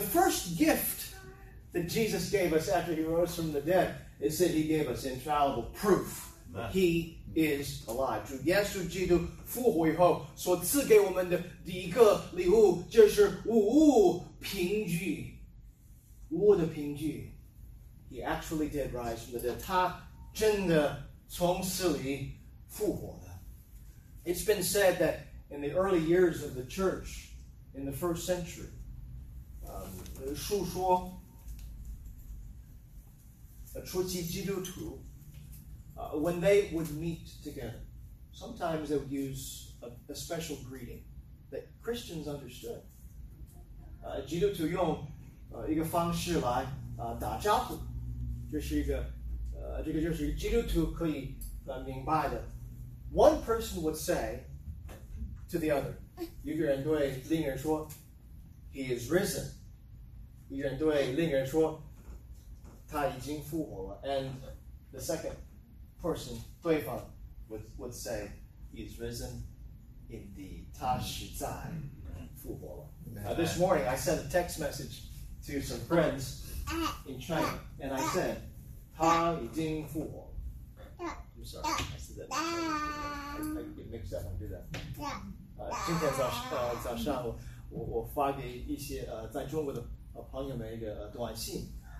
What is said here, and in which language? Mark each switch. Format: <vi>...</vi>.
<en>The first gift that Jesus gave us after he rose from the dead is that he gave us infallible proof that he is alive.</en> <zh>主耶稣基督复活以后所赐给我们的第一个礼物就是无误凭据，无误的凭据。</zh> <en>He actually did rise from the dead.</en> <zh>他真的从死里复活了。</zh> <en>It's been said that in the early years of the church, in the first century,</en> <zh>述说初期基督徒</zh> <en>when they would meet together, sometimes they would use a special greeting that Christians understood.</en> <zh>基督徒用一个方式来打招呼，就是一个这个就是基督徒可以明白的。</zh> <en>One person would say to the other,</en> <zh>一个人对另一个人说</zh> <en>He is risen.</en> <zh>一个人对另一个人说他已经复活了。</zh> <en>And the second person,</en> <zh>对方</zh> <en>would say, He is risen indeed.</en> <zh>他实在复活了。</zh> <en>This morning, I sent a text message to some friends in China, and I said,</en> <zh>他已经复活了。</zh> <en>I'm sorry, I said that. I get mixed up when I do that.</en> <zh>今天早上我发给一些在中国的朋友们一个短信。</zh>